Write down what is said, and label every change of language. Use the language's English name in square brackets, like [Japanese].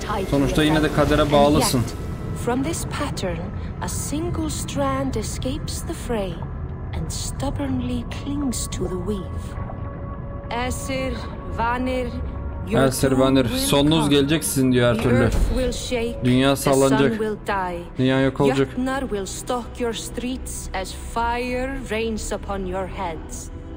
[Turkish] Sonuçta yine de kadere bağlısın. [English] From this pattern, a single strand escapes the fray and stubbornly clings to the weave. [Turkish] Esir, Vanir, Esir Vanir, sonunuz gelecek sizin diyor her türlü. Dünya sallanacak. Dünya yok olacak. [English] Yatnar will stalk your streets as fire rains upon your heads.